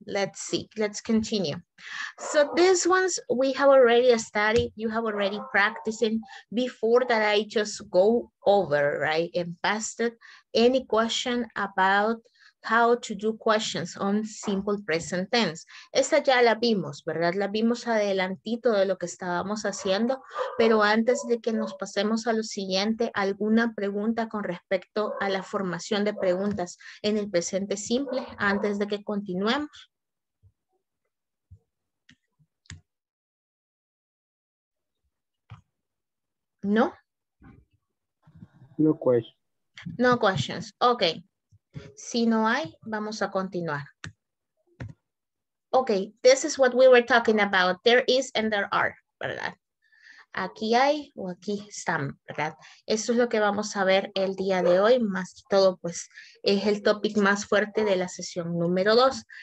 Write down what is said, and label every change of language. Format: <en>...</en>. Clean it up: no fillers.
<en>Let's see, let's continue. So this ones we have already studied, you have already practicing before that I just go over, right? And passed any question about how to do questions on simple present tense.</en> <es>Esta ya la vimos, ¿verdad? La vimos adelantito de lo que estábamos haciendo, pero antes de que nos pasemos a lo siguiente, ¿alguna pregunta con respecto a la formación de preguntas en el presente simple antes de que continuemos? ¿No?</es> <en>No questions. No questions. Okay.</en> <es>Si no hay, vamos a continuar.</es> <en>Okay, this is what we were talking about. There is and there are,</en> <es>¿verdad? Aquí hay o aquí están, ¿verdad? Eso es lo que vamos a ver el día de hoy. Más que todo, pues, es el topic más fuerte de la sesión número 2.</es>